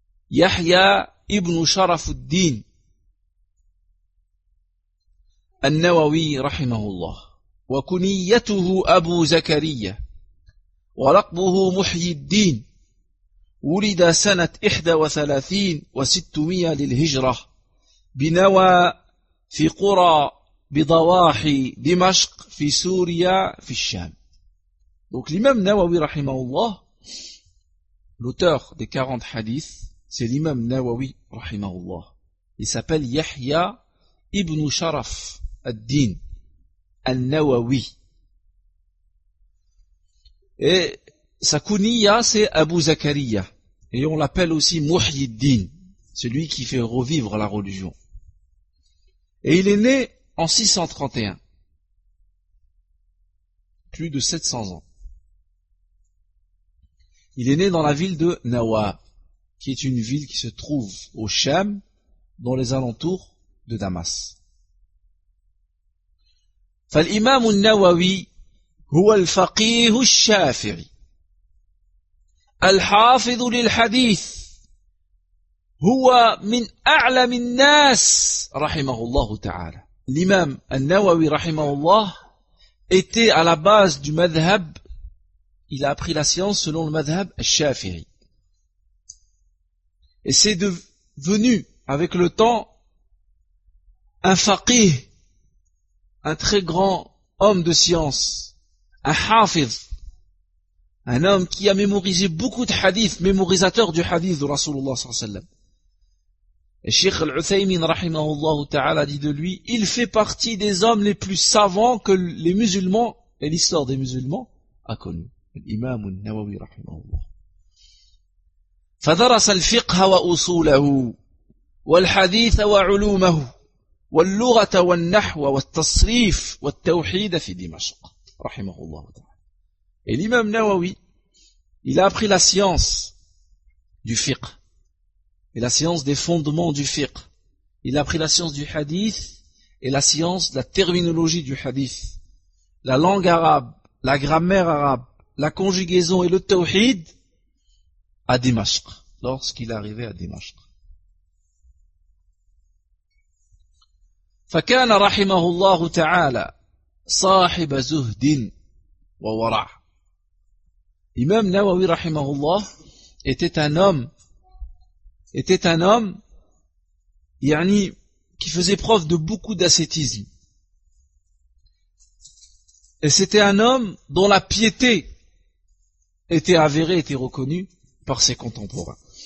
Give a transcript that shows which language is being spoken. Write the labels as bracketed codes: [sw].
[ar] يحيى ابن شرف الدين النووي رحمه الله وكنيته أبو زكريا ولقبه محيي الدين ولد سنة 31 و600 للهجرة بنوى في قرى بضواحي دمشق في سوريا في الشام. [fr] Donc l'imam Nawawi [ar] رحمه الله, [fr] l'auteur des 40 hadiths, c'est l'imam Nawawi, rahimahullah. Il s'appelle Yahya ibn Sharaf ad-Din al-Nawawi. Et sa kuniya, c'est Abu Zakariya. Et on l'appelle aussi Muhyiddin, celui qui fait revivre la religion. Et il est né en 631. Plus de 700 ans. Il est né dans la ville de Nawa, qui est une ville qui se trouve au Sham, dans les alentours de Damas. [ar] فالإمام النووي هو الفقيه الشافعي الحافظ للحديث هو من أعلم الناس رحمه الله تعالى. [fr] L'imam النووي [ar] رحمه الله [fr] était à la base du madhhab. Il a appris la science selon le madhhab الشافعي. Et c'est devenu, avec le temps, un faqih, un très grand homme de science, un hafiz, un homme qui a mémorisé beaucoup de hadiths, mémorisateur du hadith de Rasulullah sallallahu alayhi wa sallam. Et Cheikh Al-Uthaymin, rahimahullah ta'ala, dit de lui, il fait partie des hommes les plus savants que les musulmans, et l'histoire des musulmans, a connu. L'imam al-Nawawi, rahimahullah. [ar] فدرس الفقه وأصوله والحديث وعلومه واللغة والنحو والتصريف والتوحيد في دمشق رحمه الله تعالى. [fr] Et l'imam Nawawi, il a appris la science du fiqh et la science des fondements du fiqh. Il a appris la science du hadith et la science de la terminologie du hadith, la langue arabe, la grammaire arabe, la conjugaison et le tawhid à Dimashq, lorsqu'il est arrivé à Dimashq. [ar] فكان رحمه الله تعالى صاحب زهد وورع. [fr] Imam Nawawi [ar] رحمه الله [fr] était un homme يعني qui faisait preuve de beaucoup d'ascétisme. Et c'était un homme dont la piété était avérée, était reconnue par ses contemporains.